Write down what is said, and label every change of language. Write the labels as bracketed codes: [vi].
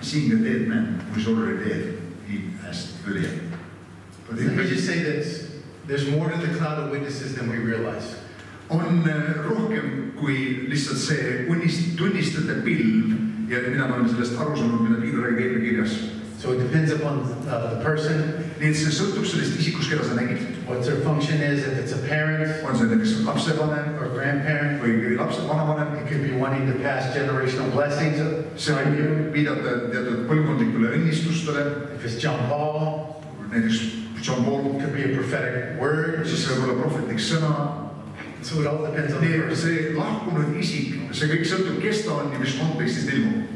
[en] Seeing the dead man who's already dead, he asked earlier. But let me just say this. There's more to the cloud of witnesses than we realize. [et] On rohkem kui lihtsalt see tunnistate pilv, ja mina ma olen sellest aru saanud, mida Piibel räägib eelmine kirjas. [en] So it depends upon the person. [et] Nii et see sõltub sellest isikus, keda sa nägid. [en] What their function is, if it's a parent. [et] On see, et see lapsevanem. [en] Or grandparent. [et] Või lapsevanem. [en] It could be wanting to pass generational blessings. [et] See on viidata teatud põlgkondlikule õnnistustele. [en] If it's John Paul. [et] Näiteks John Paul. [en] It could be a prophetic word. [et] Siis see võib olla prophetic sõna. [en] So it all depends on the person. [et] See lahkunud isik, see kõik sõltub, kes ta on ja mis kontekstis ilmub.